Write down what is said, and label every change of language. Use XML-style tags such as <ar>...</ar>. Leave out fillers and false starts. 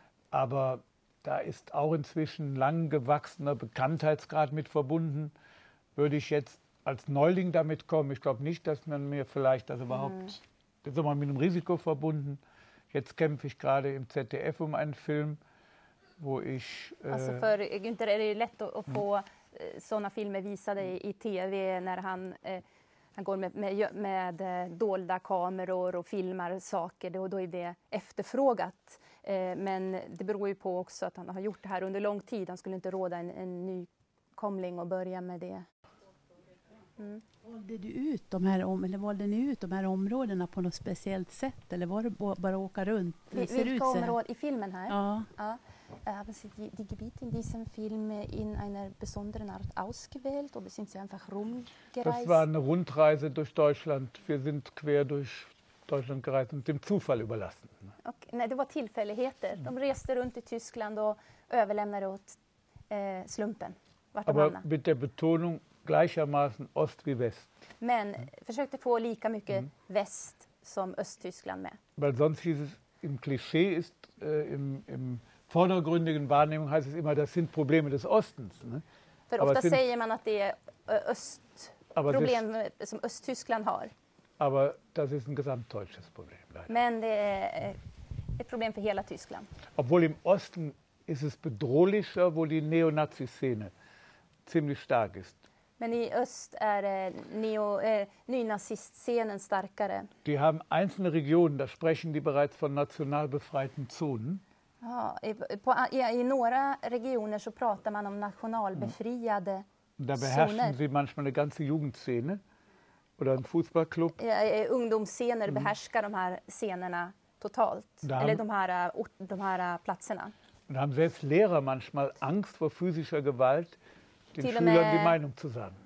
<de>Aber da ist auch inzwischen lang gewachsener Bekanntheitsgrad mit verbunden. Würde ich jetzt als Neuling damit kommen? Ich glaube nicht, dass man mir vielleicht das überhaupt... Mhm. Jetzt sind wir mit einem Risiko verbunden. Jetzt kämpfe ich gerade im ZDF um einen Film, wo ich... Also für Günther, ist es leicht, so Filme</de> <sv>visade i TV, när han går med dolda kameror och filmar saker, och då är det efterfrågat. Men det beror ju på också att han har gjort det här under lång tid. Han skulle inte råda en nykomling att börja med det. Mm. Valde du ut de här områdena på något speciellt sätt? Eller var det bara åka runt? Vilka områden i filmen här? Ja.</sv> <de>Die Gebiete in diesem Film in einer besonderen Art ausgewählt oder sind Sie einfach rumgereist? Das war eine Rundreise durch Deutschland. Wir sind quer durch Deutschland gereist und dem Zufall überlassen.</de> <sv>Okay. Nej, det var tillfälligheter. De reste runt i Tyskland och överlämnade åt slumpen.</sv> <de>Aber mit der Betonung gleichermaßen Ost wie West.</de> <sv>Men försökte få lika mycket väst som Östtyskland med.</sv> <de>Weil sonst hieß es, im Klischee ist im vordergründigen Wahrnehmung heißt es immer, das sind Probleme des Ostens. Ne?</de> <sv>För ofta säger man att det är Östproblem som Östtyskland har.</sv> <de>Aber das ist ein gesamtdeutsches Problem.</de> <sv>Men det är ett problem för hela Tyskland.</sv> <de>Obwohl im Osten ist es bedrohlicher, wo die Neonazi-Szene ziemlich stark ist.</de> <sv>Men i öst är nynazist-scenen starkare.</sv> <de>Die haben einzelne Regionen, da sprechen die bereits von national befreiten Zonen.</de> <sv>Ja, i några regioner så pratar man om nationalbefriade zoner.</sv> <de>Da beherrschen sie manchmal eine ganze Jugendszene oder einen Fußballclub.</de> <sv>Ja, ungdomsscener behärskar de här scenerna totalt, eller de här platserna.</sv> <de>Und haben selbst Lehrer manchmal Angst vor physischer Gewalt, den Schülern die Meinung zu sagen.</de>